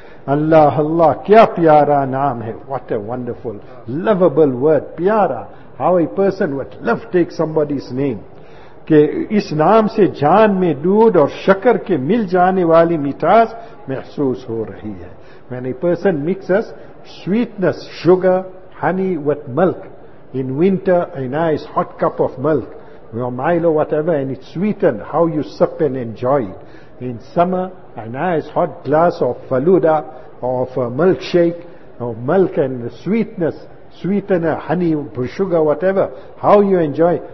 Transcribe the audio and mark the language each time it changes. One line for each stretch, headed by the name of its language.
Urdu: اللہ اللہ کیا پیارا نام ہے.
English: What a wonderful, lovable word.
Urdu: پیارا.
English: How a person would love to take somebody's name.
Urdu: کہ اس نام سے جان میں دودھ اور شکر کے مل جانے والی مٹھاس محسوس ہو رہی ہے.
English: When a person mixes sweetness, sugar, honey with milk, in winter a nice hot cup of milk, or Milo, whatever, and it's sweetened, how you sip and enjoy it. In summer, a nice hot glass of faluda, of a milkshake, of milk and sweetness, sweetener, honey, sugar, whatever, how you enjoy.